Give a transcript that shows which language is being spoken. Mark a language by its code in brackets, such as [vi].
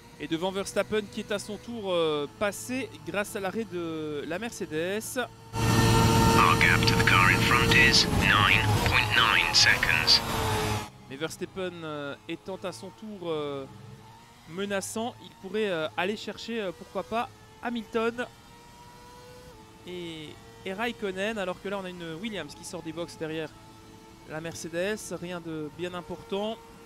[fr] Devant Verstappen qui est à son tour passé grâce à l'arrêt de la Mercedes. [en] Our gap to the car in front is 9.9 seconds. [fr] Mais Verstappen étant à son tour menaçant, il pourrait aller chercher pourquoi pas Hamilton et Raikkonen, alors que là on a une Williams qui sort des box derrière la Mercedes, rien de bien important.